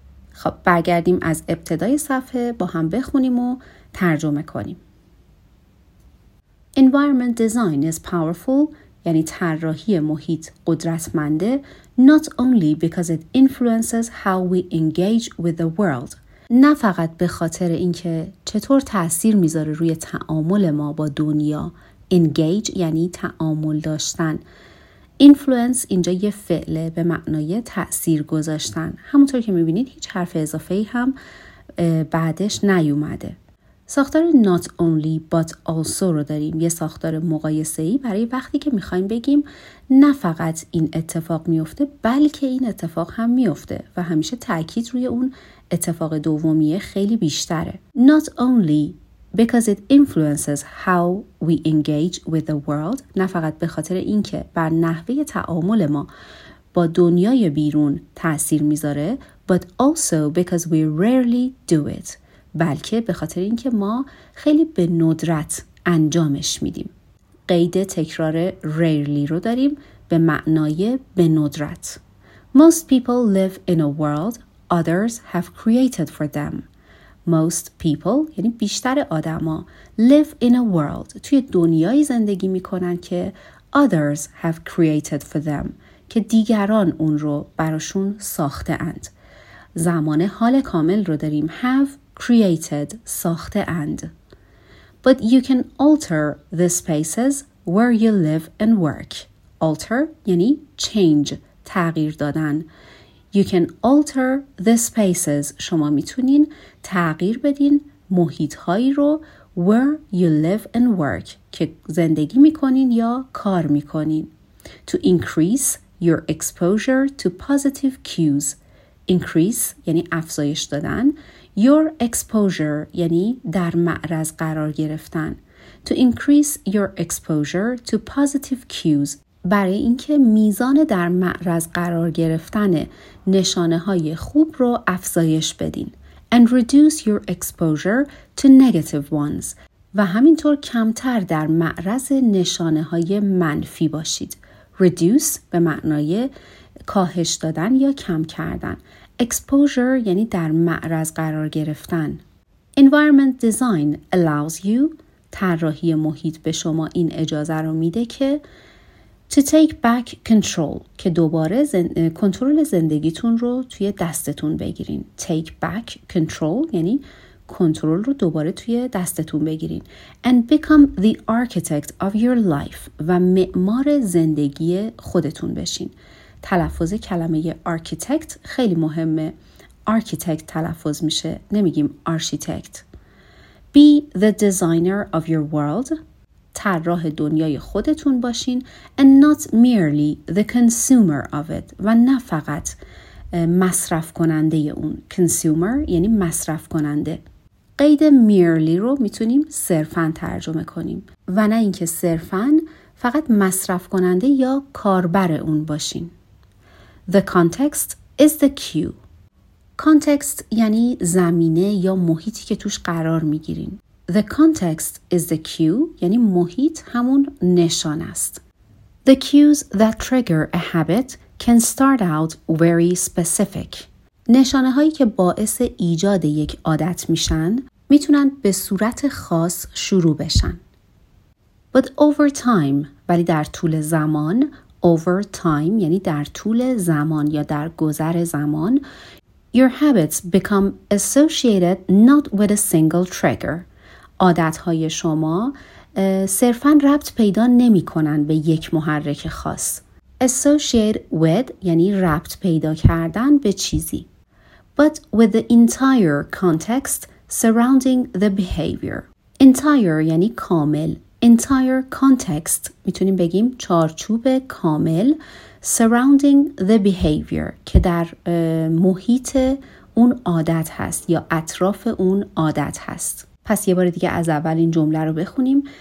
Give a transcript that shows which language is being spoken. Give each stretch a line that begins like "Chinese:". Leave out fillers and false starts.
Persian: خب برگردیم از ابتدای صفحه با هم بخونیم و ترجمه کنیم.
English: Environment design is powerful,
Persian: یعنی طراحی محیط قدرتمنده,
English: not only because it influences how we engage with the world.
Persian: نه فقط به خاطر اینکه چطور تأثیر میذاره روی تعامل ما با دنیا. Engage یعنی تعامل داشتن. Influence اینجا یه فعله به معنای تأثیر گذاشتن. همونطور که میبینید هیچ حرف اضافه هم بعدش نیومده. ساختار not only but also رو داریم. یه ساختار مقایسه‌ای برای وقتی که میخواییم بگیم نه فقط این اتفاق میفته بلکه این اتفاق هم میفته و همیشه تأکید روی اون اتفاق دومیه خیلی بیشتره.
English: Not only because it influences how we engage with the world.
Persian: نه فقط به خاطر اینکه بر نحوه تعامل ما با دنیای بیرون تأثیر میذاره
English: but also because we rarely do it.
Persian: بلکه به خاطر اینکه ما خیلی به ندرت انجامش میدیم. قید تکرار rarely رو داریم به معنای به ندرت.
English: Most people live in a world others have created for them. Most people
Persian: یعنی بیشتر آدما
English: live in a world
Persian: توی دنیای زندگی میکنن که
English: others have created for them
Persian: که دیگران اون رو براشون ساخته اند. زمان حال کامل رو داریم
English: have created
Persian: ساخته اند.
English: But you can alter the spaces where you live and work.
Persian: Alter یعنی change تغییر دادن.
English: You can alter the spaces.
Persian: شما میتونین تغییر بدین محیط هایی رو
English: where you live and work
Persian: که زندگی میکنین یا کار میکنین.
English: To increase your exposure to positive cues.
Persian: Increase یعنی افزایش دادن. Your exposure یعنی در معرض قرار گرفتن.
English: To increase your exposure to positive cues.
Persian: برای اینکه میزان در معرض قرار گرفتن نشانه های خوب رو افزایش بدین.
English: And reduce your exposure to negative ones.
Persian: و همینطور کمتر در معرض نشانه های منفی باشید. Reduce به معنای کاهش دادن یا کم کردن. Exposure یعنی در معرض قرار گرفتن.
English: Environment design allows you.
Persian: طراحی محیط به شما این اجازه رو میده که
English: to take back control
Persian: که دوباره کنترل زندگیتون رو توی دستتون بگیرین.
English: Take back control
Persian: یعنی کنترل رو دوباره توی دستتون بگیرین.
English: And become the architect of your life
Persian: و معمار زندگی خودتون بشین. تلفظ کلمه architect خیلی مهمه. Architect تلفظ میشه. نمیگیم
English: architect. Be the designer of your world.
Persian: طراح دنیای خودتون باشین.
English: And not merely the consumer of it.
Persian: و نه فقط مصرف کننده اون. Consumer یعنی مصرف کننده. قید merely رو میتونیم صرفاً ترجمه کنیم. و نه اینکه صرفاً فقط مصرف کننده یا کاربر اون باشین.
English: The context is the cue.
Persian: Context یعنی زمینه یا محیطی که توش قرار میگیرین.
English: The context is the cue
Persian: یعنی محیط همون نشان است.
English: The cues that trigger a habit can start out very specific.
Persian: نشانه هایی که باعث ایجاد یک عادت میشن میتونن به صورت خاص شروع بشن.
English: But over time
Persian: ولی در طول زمان
English: over time
Persian: یعنی در طول زمان یا در گذر زمان
English: your habits become associated not with a single trigger.
Persian: عادت‌های شما صرفاً ربط پیدا نمی‌کنند به یک محرک خاص. Associate with یعنی ربط پیدا کردن به چیزی.
English: But with the entire context surrounding the behavior.
Persian: Entire یعنی کامل.
English: Entire context
Persian: میتونیم بگیم چارچوب کامل
English: surrounding the behavior
Persian: که در محیط اون عادت هست یا اطراف اون عادت هست. پس یه بار دیگه از اول این جمله رو بخونیم.